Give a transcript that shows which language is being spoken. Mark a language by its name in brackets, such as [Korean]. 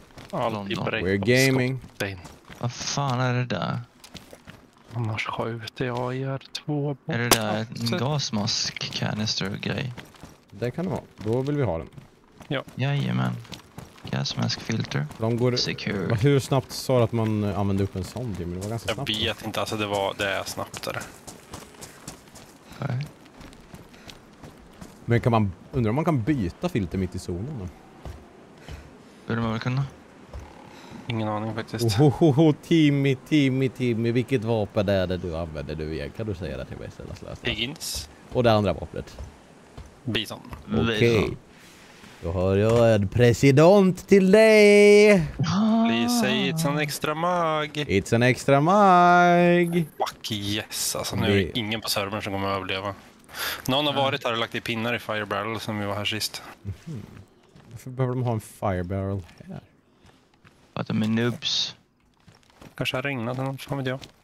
[Swedish] Alltid break. [English] We're gaming. [Swedish] Vad fan är det där? Annars skjuter jag och gör två på. Är det där en gasmask canister grej? Det kan det vara. Då vill vi ha den. Ja. Jajamän. Gasmask filter. De går, secure. Hur snabbt sa du att man använde upp en sån? Det var ganska jag snabbt. Jag vet inte. Alltså det var det snabbt. Där. Okay. Men kan man undra om man kan byta filter mitt i zonen? Bör man väl kunna? Ingen aning faktiskt. Ohoho, Timmy, vilket vapen är det du använder du igen? Kan du säga det till mig sen? Higgins. Och det andra vapnet? Bison. Okej. Okay. Då har jag en president till dig! [English] Please say it's an extra mag! It's an extra mag! Fuck yes, [Swedish] alltså nu är det ingen på servern som kommer att överleva. Någon har varit här och lagt i pinnar i firebarrel som vi var här sist. Mm-hmm. Varför behöver de ha en firebarrel här? Att de är noobs. Kanske har regnat något, som vet jag.